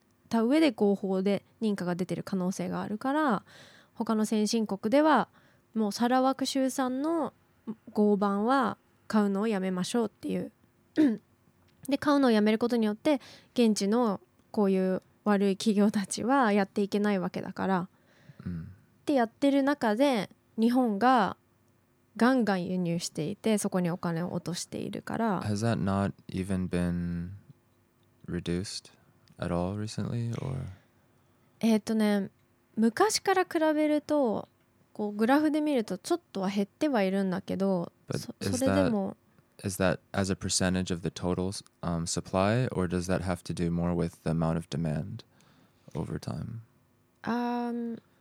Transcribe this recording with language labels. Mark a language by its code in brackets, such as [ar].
[ja] た上で合法で認可が出ている可能性があるから、他の先進国ではもうサラワク州産の合板は買うのをやめましょうっていうで、買うのをやめることによって現地のこういう悪い企業たちはやっていけないわけだから、うん、ってやってる中で、日本がガンガン輸入していて、そこにお金を落としているから。 [en] Has that not even been reduced at all recently? Or? [ja] 昔から比べるとこうグラフで見るとちょっとは減ってはいるんだけど、それでも I'm